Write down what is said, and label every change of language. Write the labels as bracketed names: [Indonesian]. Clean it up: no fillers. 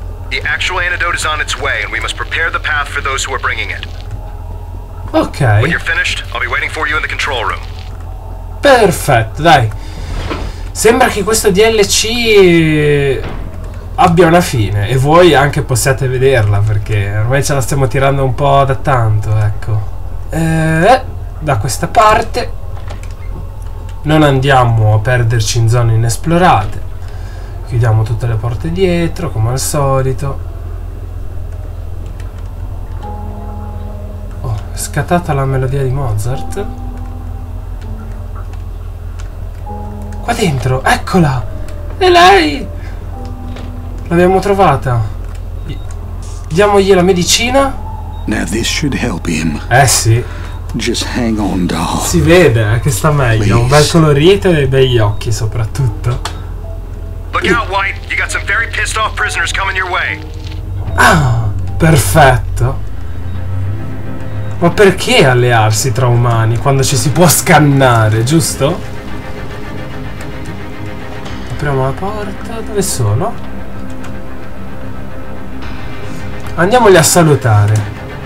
[English] The actual antidote is on its way and we must prepare the path for those who are bringing it. Ok. When you're finished, I'll be waiting for you in the control room. [Italian] Perfetto, dai. Sembra che questo DLC abbia una fine e voi anche possiate vederla, perché ormai ce la stiamo tirando un po' da tanto, ecco. Da questa parte non andiamo a perderci in zone inesplorate. Chiudiamo tutte le porte dietro, come al solito. Oh, è scattata la melodia di Mozart. Qua dentro, eccola! È lei! L'abbiamo trovata. Diamogli la medicina. [English] Now this should help him. [Italian] Eh sì. [English] Just hang on, doll. [Italian] Si vede che sta meglio. [English] Please. [Italian] Un bel colorito e dei bei occhi soprattutto. [English] Look out, White! You got some very pissed off prisoners coming your way. [Italian] Ah, perfetto. Ma perché allearsi tra umani quando ci si può scannare, giusto? Apriamo la porta. Dove sono? Andiamoli a salutare.